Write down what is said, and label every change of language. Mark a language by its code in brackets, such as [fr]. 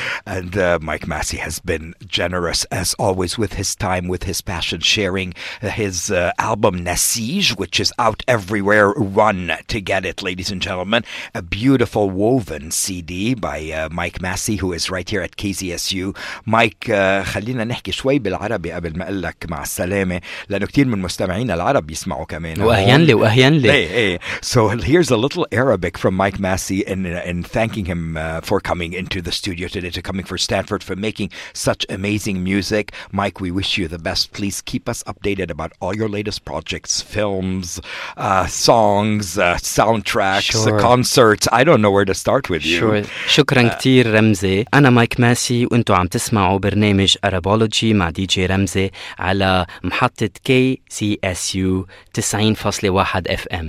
[en] And Mike Massy has been generous, as always, with his time, with his passion, sharing his album Naseej, which is out everywhere. Run to get it, ladies and gentlemen. A beautiful woven CD by Mike Massy, who is right here at KZSU. [ar] Mike, خلينا نحكي شوي بالعربي قبل ما أقولك مع السلامة لأنه كتير من مستمعين العرب يسمعوا كمان وأهين لي وأهين لي [en] hey, hey. So here's a little Arabic from Mike Massy in thanking him for coming into the studio today, to coming for Stanford, for making such amazing music. Mike, we wish you the best. Please keep us updated about all your latest projects, films, songs, soundtracks, sure. Concerts. I don't know where to start with you. Sure. [ar] شكرا كتير رمزي. أنا مايك ماسي وانتو عم تسمعوا برنامج Arabology مع دي جي رمزي على محطة KCSU 90.1 FM.